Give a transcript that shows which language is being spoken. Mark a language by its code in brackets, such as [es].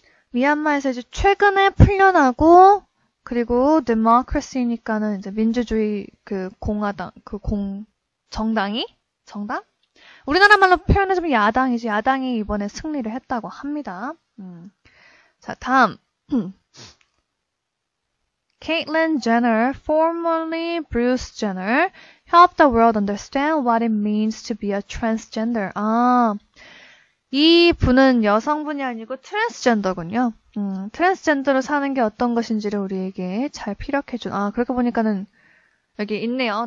[ko] 미얀마에서 이제 최근에 풀려나고 그리고 democracy니까는 이제 민주주의 그 공화당 그공 정당이 정당? 우리나라 말로 표현해주면 야당이지. 야당이 이번에 승리를 했다고 합니다. 자, 다음. [en] Caitlyn Jenner, formerly Bruce Jenner, help the world understand what it means to be a transgender. [ko] 아, 이 분은 여성분이 아니고 트랜스젠더군요. 트랜스젠더로 사는 게 어떤 것인지를 우리에게 잘 피력해준. 아, 그렇게 보니까는 여기 있네요.